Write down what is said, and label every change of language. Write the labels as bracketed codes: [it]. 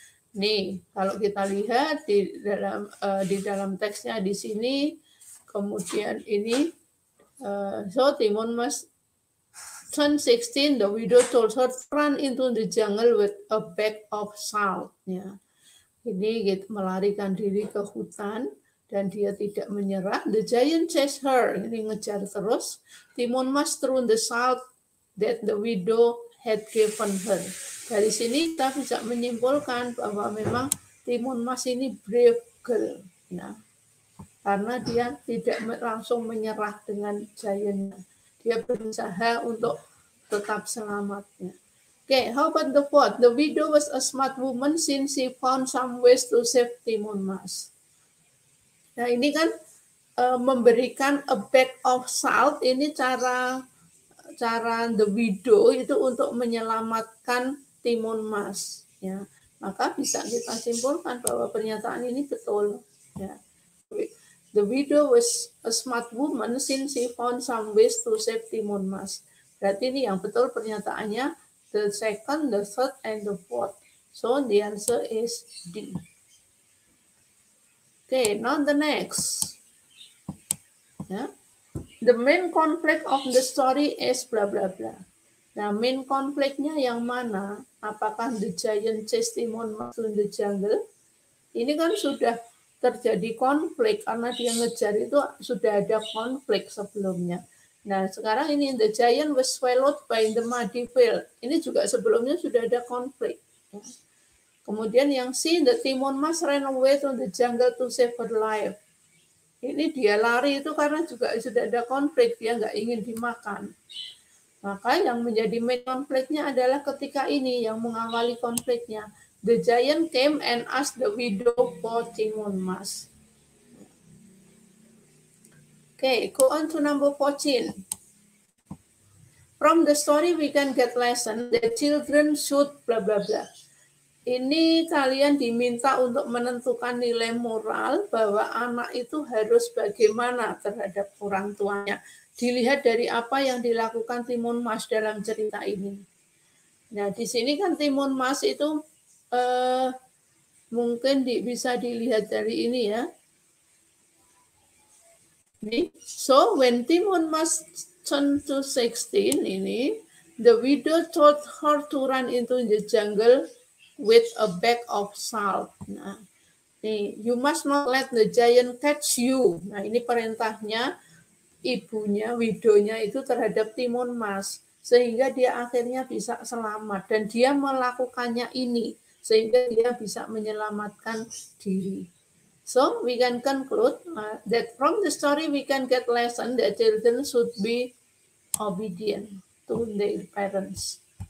[id] Nih, kalau kita lihat di dalam teksnya di sini, kemudian ini, [en] so Timun Mas turned 16, the widow told her to run into the jungle with a bag of salt. Ya. [id] Ini gitu, melarikan diri ke hutan dan dia tidak menyerah. [en] The giant chased her, [id] ini ngejar terus. [en] Timun Mas threw the salt that the widow had given her. [id] Dari sini kita bisa menyimpulkan bahwa memang Timun Mas ini [en] brave girl. [id] Ya. Karena dia tidak langsung menyerah dengan giant-nya. Dia berusaha untuk tetap selamat. Ya. [en] Oke, okay, how about the fourth? The widow was a smart woman since she found some ways to save Timun Mas. [id] Nah, ini kan memberikan [en] a bag of salt. [id] Ini cara the widow itu untuk menyelamatkan Timun Mas, ya. Maka bisa kita simpulkan bahwa pernyataan ini betul, ya. [en] The widow was a smart woman since she found some ways to save Timun Mas. [id] Berarti ini yang betul pernyataannya, [en] the second, the third, and the fourth. So the answer is D. Okay, now the next. Ya. The main conflict of the story is blah blah blah. [id] Nah, main konfliknya yang mana? Apakah [en] the giant chase Timun Mas in the jungle? [id] Ini kan sudah terjadi konflik karena dia ngejar itu sudah ada konflik sebelumnya. Nah, sekarang ini [en] the giant was swallowed by the muddy field. [id] Ini juga sebelumnya sudah ada konflik. Kemudian yang C, [en] the Timun Mas ran away to the jungle to save her life. [id] Ini dia lari itu karena juga sudah ada konflik, dia nggak ingin dimakan. Maka yang menjadi main konfliknya adalah ketika ini yang mengawali konfliknya. [en] The giant came and asked the widow for Timun Mas. Okay, go on to number 14. From the story we can get lesson that children should blah blah blah. [id] Ini kalian diminta untuk menentukan nilai moral bahwa anak itu harus bagaimana terhadap orang tuanya. Dilihat dari apa yang dilakukan Timun Mas dalam cerita ini. Nah, di sini kan Timun Mas itu mungkin bisa dilihat dari ini ya. Ini. [en] So, when Timun Mas turned to 16 ini, the widow told her to run into the jungle with a bag of salt. Nah, ini, you must not let the giant catch you. [id] Nah, ini perintahnya ibunya, widownya itu terhadap Timun Mas. Sehingga dia akhirnya bisa selamat. Dan dia melakukannya ini. Sehingga dia bisa menyelamatkan diri. [en] So, we can conclude that from the story we can get lesson that children should be obedient to their parents.